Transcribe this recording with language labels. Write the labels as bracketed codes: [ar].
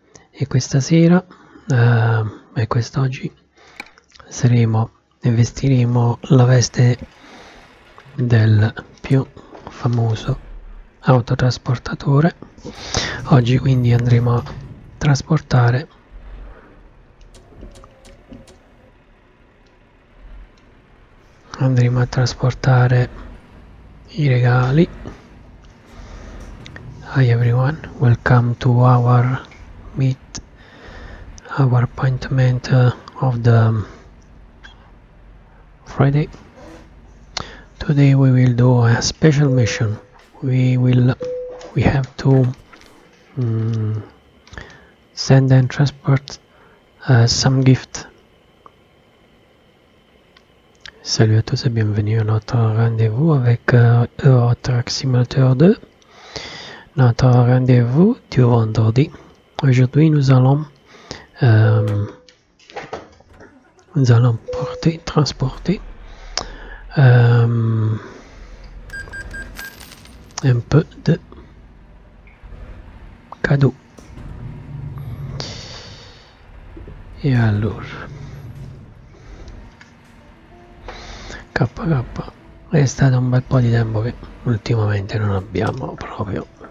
[it] E questa sera e quest'oggi saremo e vestiremo la veste del più famoso autotrasportatore. Oggi quindi andremo a trasportare Andremo a trasportare i regali. [en] Hi everyone, welcome to our meet, our appointment of the Friday. Today we will do a special mission. We have to send and transport some gift. [fr] Salut à tous et bienvenue à notre rendez-vous avec Euro Truck Simulator 2. Notre rendez-vous du vendredi. Aujourd'hui, nous allons porter, transporter un peu de cadeaux. [it] Et alors, KK, è stato un bel po' di tempo che ultimamente non abbiamo proprio.